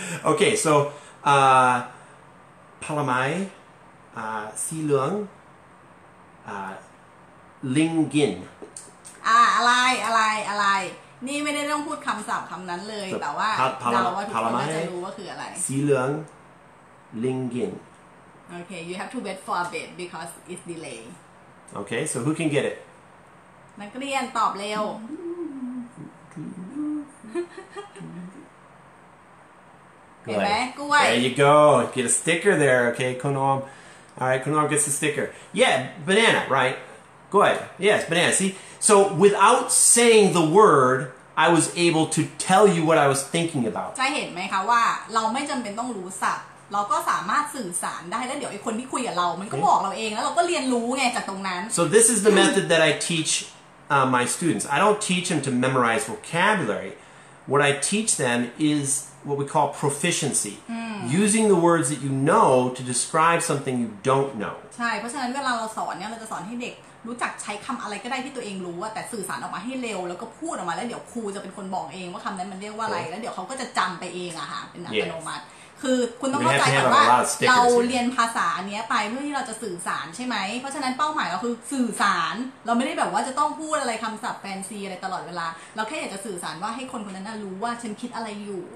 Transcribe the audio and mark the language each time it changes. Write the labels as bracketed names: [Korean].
[English] Okay, so, [Thai] ผลไม้ สีเหลือง ลิงกิน อะไรนี่ไม่ได้ต้องพูดคำศัพท์คำนั้นเลยแต่ว่าเราทุกคนจะรู้ว่าคืออะไร สีเหลืองลิงกิน [English] โอเค you have to wait for a bit because it's delay okay so who can get it [Thai] นักเรียนตอบเร็ว [English] Okay. There you go. Get a sticker there, okay, Konom. All right, Konom gets the sticker. Yeah, banana, right? Go ahead. Yes, banana. See? So without saying the word, I was able to tell you what I was thinking about. [Thai] จะเห็นไหมคะว่าเราไม่จำเป็นต้องรู้ศัพท์เราก็สามารถสื่อสารได้แล้วเดี๋ยวไอ้คนที่คุยกับเรามันก็บอกเราเองแล้วเราก็เรียนรู้ไงจากตรงนั้น [English] So this is the method that I teach my students. I don't teach them to memorize vocabulary. What I teach them is what we call proficiency. Using the words that you know to describe something you don't know. [Thai] ใช่เพราะฉะนั้นเวลาเราสอนเนี่ยเราจะสอนให้เด็กรู้จักใช้คำอะไรก็ได้ที่ตัวเองรู้อ่ะแต่สื่อสารออกมาให้เร็วแล้วก็พูดออกมาแล้วเดี๋ยวครูจะเป็นคนบอกเองว่าคำนั้นมันเรียกว่าอะไรแล้วเดี๋ยวเขาก็จะจำไปเองอะค่ะเป็นอัตโนมัติคือคุณต้องเข้าใจก่อนว่าเราเรียนภาษาเนี้ยไปเพื่อที่เราจะสื่อสารใช่ไหมเพราะฉะนั้นเป้าหมายเราคือสื่อสารเราไม่ได้แบบว่าจะต้องพูดอะไรคำศัพท์แฟนซีอะไรตลอดเวลาเราแค่อยากจะสื่อสารว่าให้คนคนนั้นรู้ว่าฉันคิดอะไรอยู